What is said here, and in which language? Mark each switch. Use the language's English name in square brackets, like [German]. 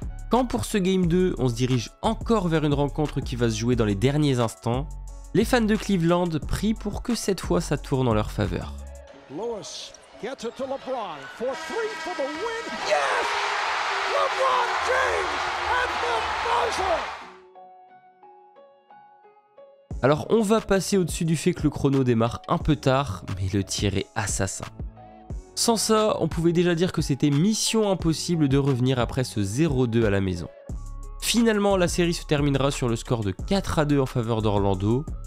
[French] Quand pour ce Game 2, on se dirige encore vers une rencontre qui va se jouer dans les derniers instants, les fans de Cleveland prient pour que cette fois ça tourne en leur faveur. [English] Lewis gets it to LeBron for three for the win. Yes! LeBron James at the buzzer! [French] Alors on va passer au-dessus du fait que le chrono démarre un peu tard, mais le tir est assassin. Sans ça, on pouvait déjà dire que c'était mission impossible de revenir après ce 0-2 à la maison. Finalement, la série se terminera sur le score de 4-2 en faveur d'Orlando,